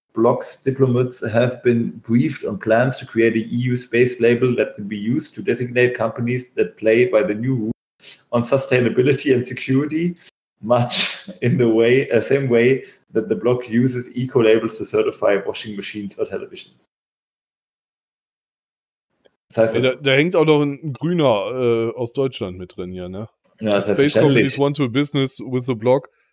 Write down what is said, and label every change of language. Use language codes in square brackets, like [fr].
[en] blocs diplomats have been briefed on plans to create an EU space label that can be used to designate companies that play by the new rules on sustainability and security, much in the way, same way that the bloc uses eco labels to certify washing machines or televisions. [de] Das heißt, ja, da hängt auch noch ein Grüner aus Deutschland mit drin hier, ne? Ja, [en] space companies want to business with the bloc.